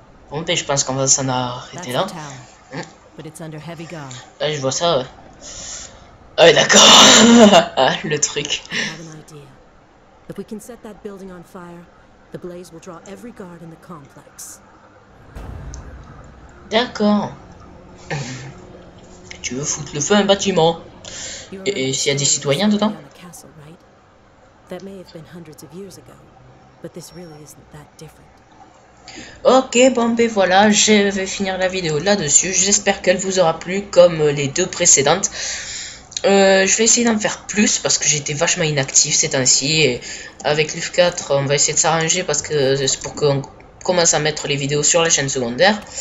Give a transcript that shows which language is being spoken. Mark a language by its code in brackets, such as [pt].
[fr] Bon, ben, je pense qu'on va s'en arrêter là. [en] But it's under heavy guard. [fr] Ah, je vois ça. Ouais. Ah, ouais, d'accord. Le truc. [en] If we can set that building on fire, the blaze will draw every guard in the complex. [fr] D'accord. Tu veux foutre le feu à un bâtiment? Et s'il y a des citoyens dedans? [en] That may have been hundreds of years ago, but this really isn't that different. [fr] Ok, bon ben voilà, je vais finir la vidéo là-dessus. J'espère qu'elle vous aura plu comme les deux précédentes. Je vais essayer d'en faire plus parce que j'étais vachement inactif ces temps-ci. Et avec l'UF4, on va essayer de s'arranger parce que c'est pour qu'on commence à mettre les vidéos sur la chaîne secondaire.